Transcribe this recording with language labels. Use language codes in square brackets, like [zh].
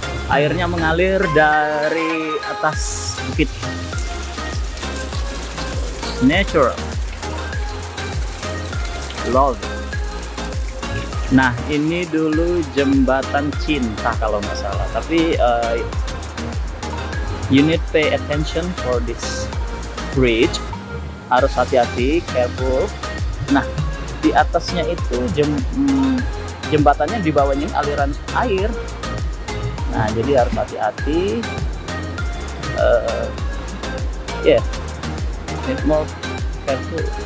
[id] Airnya mengalir dari atas bukit. [en] Natural. [id] Love. Nah, ini dulu jembatan cinta kalau nggak salah. Tapi [en] you need pay attention for this bridge. [id] Harus hati-hati, [en] careful. [id] Nah, di atasnya itu jembatannya, di bawahnya aliran air. Nah, jadi harus hati-hati. [en] Yeah, need more careful.